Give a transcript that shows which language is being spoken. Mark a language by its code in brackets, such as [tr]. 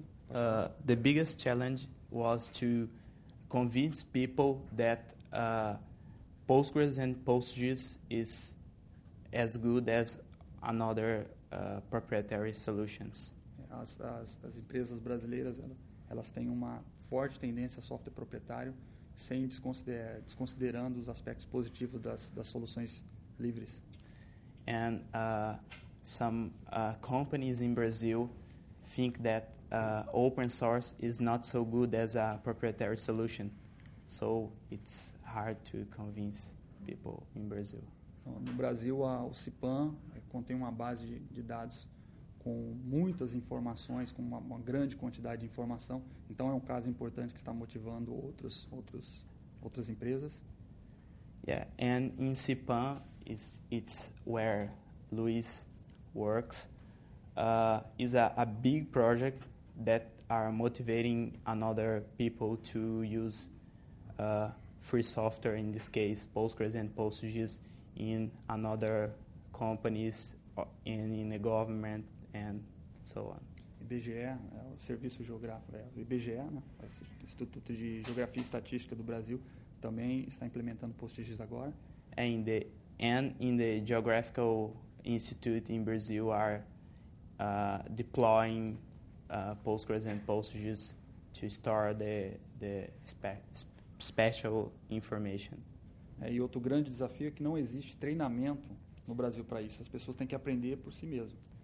[en] The biggest challenge was to convince people that Postgres and PostGIS is as good as another proprietary solutions. [pt] As empresas brasileiras, elas têm uma forte tendência a software proprietário, sem desconsiderando os aspectos positivos das soluções livres. [en] And some companies in Brazil think that open source is not so good as a proprietary solution, so it's hard to convince people in Brazil. [pt] No Brasil, o CIPAM contém uma base de dados com muitas informações, com uma grande quantidade de informação, então é um caso importante que está motivando outras empresas. [en] Yeah, and in CIPAM, it's where Luis works, is a big project that are motivating another people to use free software, in this case Postgres and PostGIS, in another companies and in the government and so on. [pt] IBGE, o Serviço Geográfico, IBGE, né, o Instituto de Geografia e Estatística do Brasil, também está implementando PostGIS agora. [en] And in the Geographical Institute in Brazil are deploying Postgres and PostGIS to store the special information. [pt] E outro grande desafio é que não existe treinamento no Brasil para isso. As pessoas têm que aprender por si mesmo.